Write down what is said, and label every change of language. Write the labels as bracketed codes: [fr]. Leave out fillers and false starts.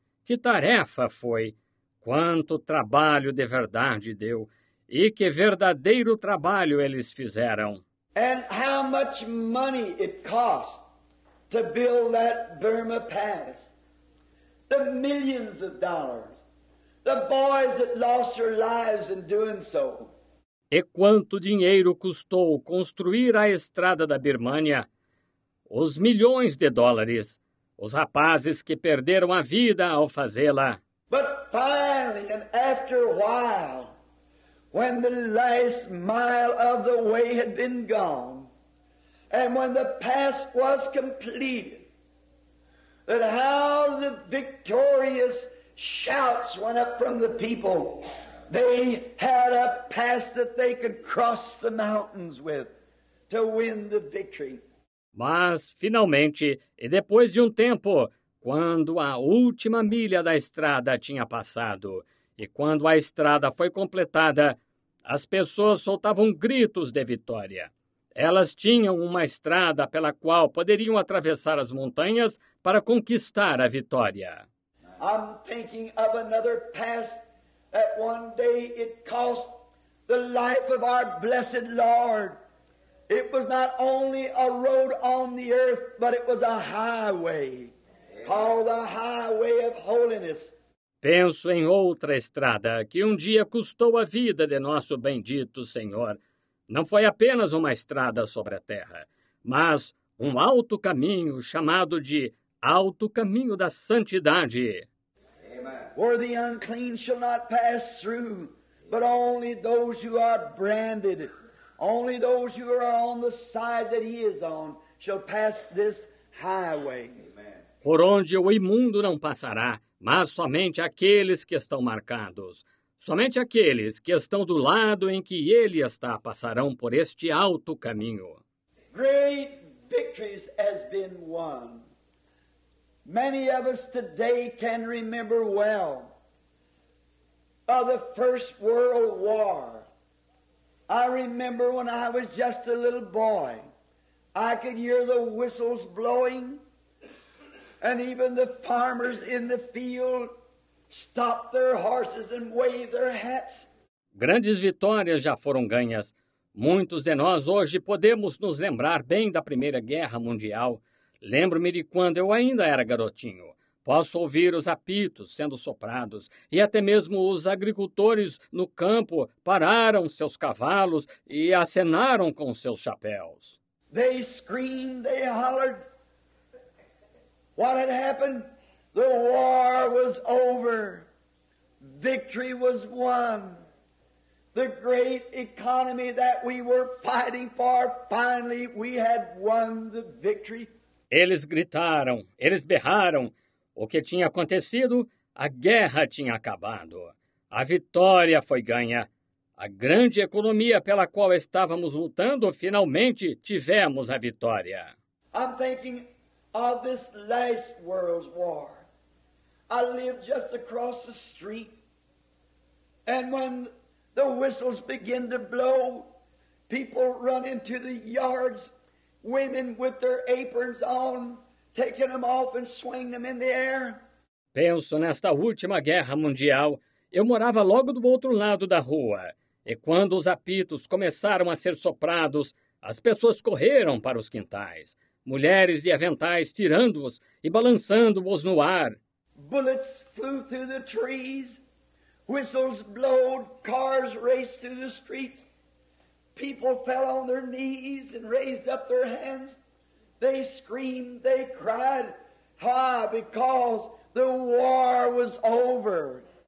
[pt] Que tarefa foi! Quanto trabalho de verdade deu! E que verdadeiro trabalho eles fizeram! [en] And how much money it cost to build that Burma Pass? The millions of dollars. The boys that lost their lives in doing so. [pt] E quanto dinheiro custou construir a estrada da Birmânia? Os milhões de dólares. Os rapazes que perderam a vida ao fazê-la. [en] But finally, and after a while, when the last mile of the way had been gone, and when the pass was completed, that how the victorious shouts went up from the people. They had a pass that they could cross the mountains with to win the victory. [pt] Mas, finalmente, e depois de tempo, quando a última milha da estrada tinha passado, e quando a estrada foi completada, as pessoas soltavam gritos de vitória. Elas tinham uma estrada pela qual poderiam atravessar as montanhas para conquistar a vitória. [en] I'm thinking of another pass that one day it cost the life of our blessed Lord. It was not only a road on the earth, but it was a highway, called the highway of holiness. [pt] Penso em outra estrada que dia custou a vida de nosso bendito Senhor. Não foi apenas uma estrada sobre a terra, mas alto caminho chamado de Alto Caminho da Santidade. [en] Where the unclean shall not pass through, but only those who are branded, only those who are on the side that he is on, shall pass this highway. [pt] Por onde o imundo não passará, mas somente aqueles que estão marcados. Somente aqueles que estão do lado em que ele está passarão por este alto caminho. [en] Great victories has been won. Many of us today can remember well of the First World War. I remember when I was just a little boy, I could hear the whistles blowing, and even the farmers in the field stopped their horses and waved their hats. [pt] Grandes vitórias já foram ganhas. Muitos de nós hoje podemos nos lembrar bem da Primeira Guerra Mundial. Lembro-me de quando eu ainda era garotinho. Posso ouvir os apitos sendo soprados e até mesmo os agricultores no campo pararam seus cavalos e acenaram com seus chapéus. [en] They screamed, they hollered. What had happened? The war was over. Victory was won. The great economy that we were fighting for, finally we had won the victory. [pt] Eles gritaram, eles berraram. O que tinha acontecido? A guerra tinha acabado. A vitória foi ganha. A grande economia pela qual estávamos lutando, finalmente tivemos a vitória. [en] I'm thinking of this last world war. I live just across the street. And when the whistles begin to blow, people run into the yards. Women with their aprons on, taking them off and swinging them in the air. [pt] Penso nesta última guerra mundial. Eu morava logo do outro lado da rua. E quando os apitos começaram a ser soprados, as pessoas correram para os quintais. Mulheres e aventais tirando-os e balançando-os no ar. [en] Bullets flew through the trees. Whistles blowed. Cars raced through the streets. People fell on their knees and raised up their hands. They screamed, they cried, because the war was over.